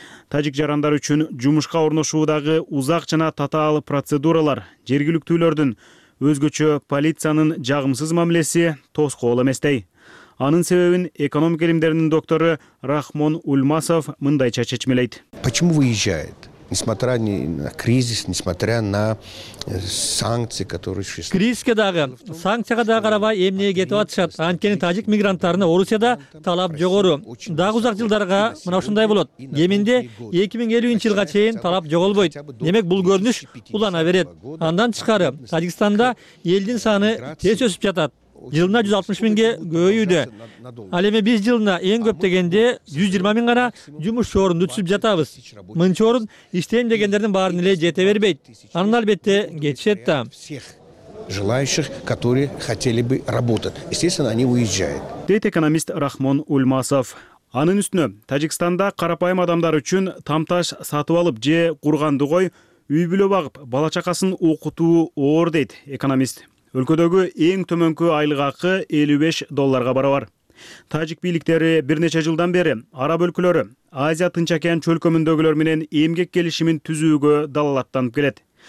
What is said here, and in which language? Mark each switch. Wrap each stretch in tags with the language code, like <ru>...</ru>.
<ky>Тажик жарандары үчүн жумушка орношуудагы узак жана татаал процедуралар, жергиликтүүлөрдүн өзгөчө полициянын жагымсыз мамилеси тоскоол эместей. Анын себебин экономика илимдеринин доктору Рахмон Улмасов мындайча чечмелейт.</ky> <ru>Почему выезжает? Несмотря на кризис, несмотря на санкции, которые существуют.</ru> <ky>Кризиске дагы, санкцияга дагы карабай эмнеге кетип атышат? Анткени тажик мигранттарына Орусияда талап жогору. Дагы узак жылдарга мына ушундай болот. Кеминде 2050 жылга чейин талап жоголбойт. Демек бул көрүнүш улана берет. Андан тышкары Тажикстанда элдин саны тез өсүп жатат. Жылына 160 миңге көбөйүүдө. Ал эми биз жылына эң көп дегенде 120 миң гана жумуш орунду түшүп жатабыз. Мынча орун иштейм дегендердин баарына эле жете бербейт. Анын албетте кетишет да.</ky> <ru>Желающих, которые хотели бы работать, естественно, они уезжают.</ru> <ky>Дейт экономист Рахмон Улмасов. Анын үстүнө Тажикстанда карапайым адамдар үчүн тамташ сатып алып же кургандыгой үй бүлө багып, бала чакасын окутуу оор, дейт экономист. Өлкөдөгү эң төмөнкү айлык акы 55 долларга барабар. Тажик бийликтери бир нече жылдан бери араб өлкөлөрү Азия тынч океан чөлкөмүндөгүлөр менен эмгек келишимин түзүүгө далалаттанып келет.</ky>